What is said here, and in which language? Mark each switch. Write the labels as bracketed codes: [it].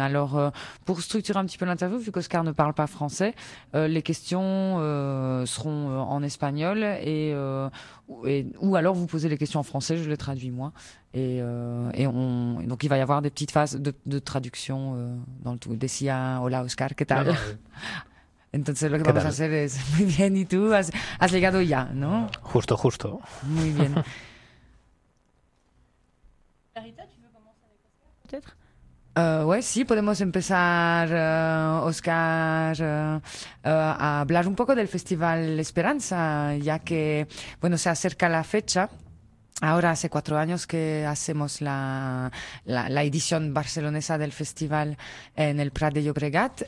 [fr] Alors pour structurer un petit peu l'interview, vu qu'Oscar ne parle pas français, les questions seront en espagnol ou alors vous posez les questions en français, je les traduis moi. Donc il va y avoir des petites phases de traduction dans le tout. [es] Decía, hola Oscar, ¿qué tal? Entonces lo que vamos a hacer es muy bien y tú has llegado ya, ¿no? Justo, justo. Muy bien. [fr] Clarita, tu veux commencer avec Oscar, peut-être? [es] Ouais, sí, podemos empezar, Oscar, a hablar un poco del Festival Esperanza, ya que, bueno, se acerca la fecha. Ahora hace 4 años que hacemos la edición barcelonesa del festival en el Prat de Llobregat.